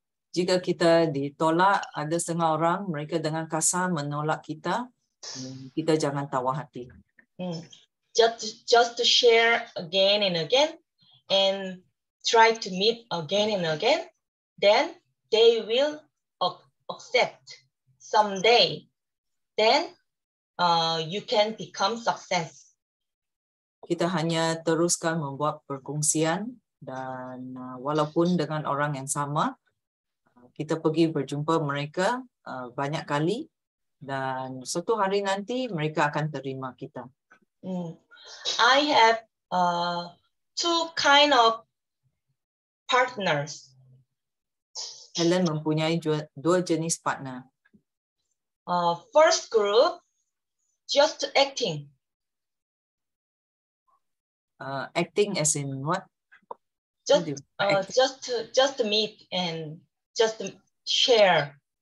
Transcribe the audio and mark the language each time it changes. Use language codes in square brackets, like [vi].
[ms] Jika kita ditolak, ada setengah orang mereka dengan kasar menolak kita. Kita jangan tawa hati. [en] Just share again and again, and try to meet again and again. Then they will accept someday. Then you can become success. [ms] Kita hanya teruskan membuat perkongsian dan walaupun dengan orang yang sama, kita pergi berjumpa mereka banyak kali dan suatu hari nanti mereka akan terima kita. [en] I have two kind of partners. [ms] Helen mempunyai dua jenis partner. [en] First group, just acting. Acting as in what? Just meet and just share.